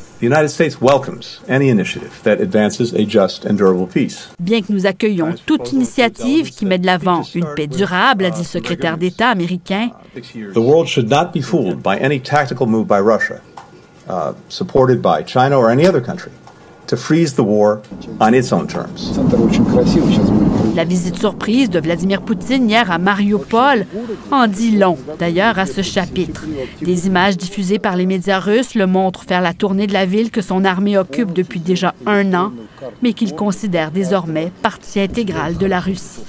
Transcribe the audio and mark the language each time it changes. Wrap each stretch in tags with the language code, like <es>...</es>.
<fr>Bien que nous accueillions toute initiative qui met de l'avant une paix durable, a dit le secrétaire d'État américain, le monde ne doit pas être fouillé par une mouvement tactique de Russie, soutenu par la Chine ou un autre pays.</fr> <en>To freeze the war on its own terms.</en> <fr>La visite surprise de Vladimir Poutine hier à Mariupol en dit long, d'ailleurs, à ce chapitre. Des images diffusées par les médias russes le montrent faire la tournée de la ville que son armée occupe depuis déjà un an, mais qu'il considère désormais partie intégrale de la Russie.</fr>